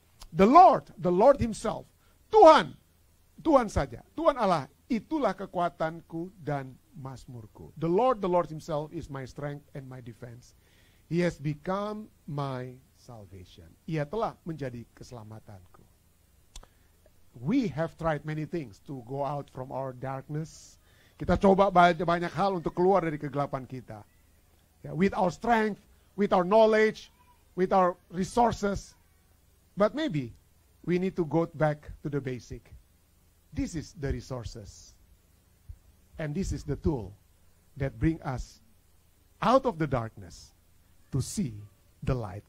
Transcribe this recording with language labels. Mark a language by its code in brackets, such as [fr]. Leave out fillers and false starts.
[en] The Lord himself, [id] Tuhan saja, Tuhan Allah, itulah kekuatanku dan mazmurku. [en] The Lord himself is my strength and my defense. He has become my salvation. [id] Ia telah menjadi keselamatanku. [en] We have tried many things to go out from our darkness. [id] Kita coba banyak hal untuk keluar dari kegelapan kita. [en] Yeah, with our strength, with our knowledge, with our resources. But maybe we need to go back to the basic. This is the resources. And this is the tool that bring us out of the darkness to see the light.